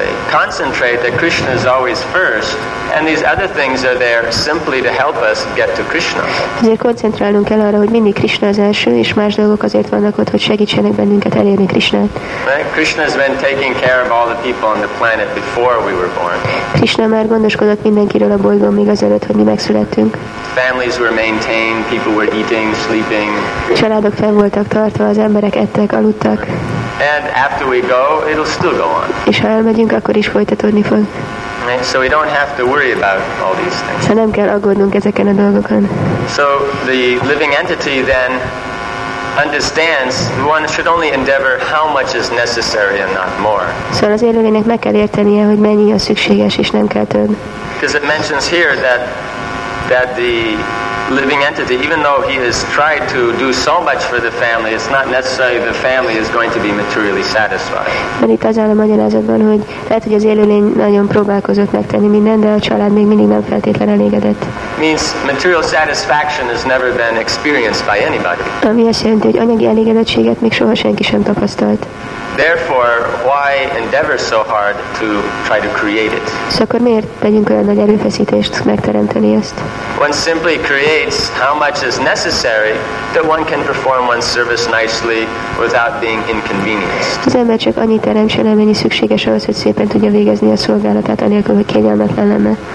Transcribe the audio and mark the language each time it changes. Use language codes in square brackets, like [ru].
[en] concentrate that Krishna is always first, and these other things are there simply to help us get to Krishna. [hu] Ezért koncentrálunk el arra, hogy mindig Krishna az első, és más dolgok azért vannak ott, hogy segítsenek bennünket elérni Krishnát. [en] Krishna has been taking care of all the people on the planet before we were born. [hu] Krishna már gondoskodott mindenkiről a bolygón, míg azelőtt, hogy mi megszülettünk. [en] Families were maintained, people were eating, sleeping. [hu] Családok fel voltak tartva, az emberek ettek, aludtak. [en] And after we go, it'll still go on. [hu] És ha elmegyünk, akkor is folytatódni fog. [en] So we don't have to worry about all these things. [hu] Szóval nem kell aggódnunk ezeken a dolgokon. [en] So the living entity then understands one should only endeavor how much is necessary and not more. [hu] Szóval az élőlénynek meg kell értenie, hogy mennyi a szükséges, és nem kell több. [en] Because it mentions here that the living entity, even though he has tried to do so much for the family, it's not necessarily the family is going to be materially satisfied. [hu] Mert itt az áll a magyarázatban, hogy lehet, hogy az élőlény nagyon próbálkozott megtenni mindent, de a család még mindig nem feltétlen elégedett. [en] Means material satisfaction has never been experienced by anybody. [hu] Ami azt jelenti, hogy anyagi elégedettséget még soha senki sem tapasztalt. [en] Therefore, why endeavor so hard to try to create it? [hu] Szóval akkor miért tegyünk olyan nagy erőfeszítést megteremteni ezt? [en] One simply creates how much is necessary that one can perform one's service nicely without being inconvenienced. [hu] Az ember csak annyit teremt, s amennyi szükséges ahhoz, hogy szépen tudja végezni a szolgálatát, anélkül, hogy kényelmetlen lenne.